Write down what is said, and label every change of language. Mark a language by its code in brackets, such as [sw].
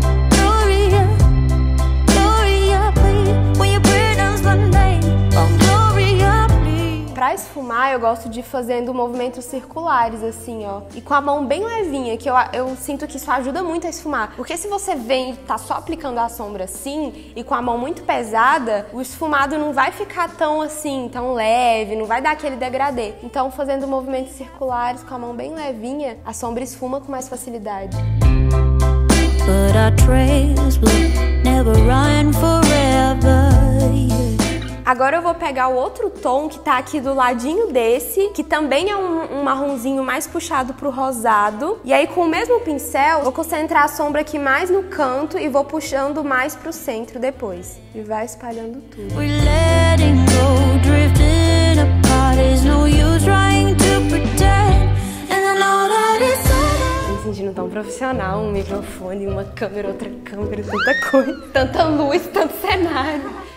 [en] Gloria, Gloria, please. When your burden's the name, oh, Gloria, please. [pt] pra esfumar, eu gosto de ir fazendo movimentos circulares, assim, ó. E com a mão bem levinha, que eu sinto que isso ajuda muito a esfumar. Porque se você vem e tá só aplicando a sombra assim, e com a mão muito pesada, o esfumado não vai ficar tão assim, tão leve, não vai dar aquele degradê. Então, fazendo movimentos circulares com a mão bem levinha, a sombra esfuma com mais facilidade. [en] But our trails will never run forever. [pt] Agora eu vou pegar o outro tom que tá aqui do ladinho desse, que também é um marronzinho mais puxado pro rosado. E aí com o mesmo pincel, vou concentrar a sombra aqui mais no canto e vou puxando mais pro centro depois. E vai espalhando tudo. [en] We're letting go, drifting apart, there's no use trying to pretend, and I know that it's [pt] sentindo tão profissional, um microfone, uma câmera, outra câmera, tanta coisa, tanta luz, tanto cenário.